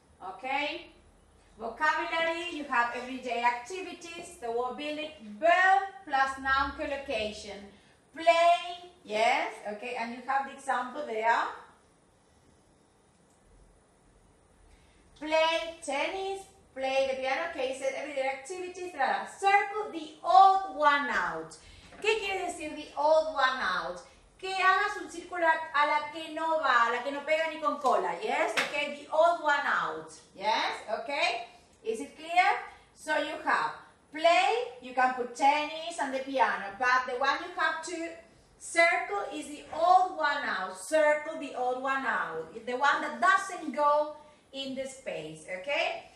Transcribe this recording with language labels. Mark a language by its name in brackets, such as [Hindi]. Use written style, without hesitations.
[English] Okay, vocabulary, you have everyday activities, the word building, verb plus noun collocation, play, yes, okay, and you have the example there, play tennis, play the piano, okay, so everyday activities, blah, blah. Circle the old one out. [Spanish] ¿Qué quiere decir [English] the old one out? [Spanish] Que hagas un círculo a la que no va, a la que no pega ni con cola, yes? [English] Okay, the old one out, yes? Okay, is it clear? So you have play, you can put tennis and the piano, but the one you have to circle is the old one out, circle the old one out, the one that doesn't go in the space, okay?